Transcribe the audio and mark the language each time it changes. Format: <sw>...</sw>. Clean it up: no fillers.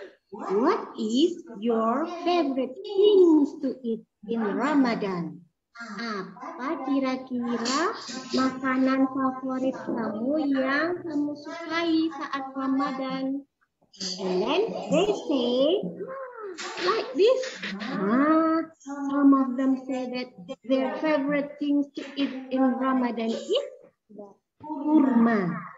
<en>What is your favorite things to eat in Ramadan?</en> <id>Apa kira-kira makanan favorit kamu yang kamu sukai saat Ramadan?</id> <en>And then they say like this. Some of them say that their favorite things to eat in Ramadan is kurma.</en>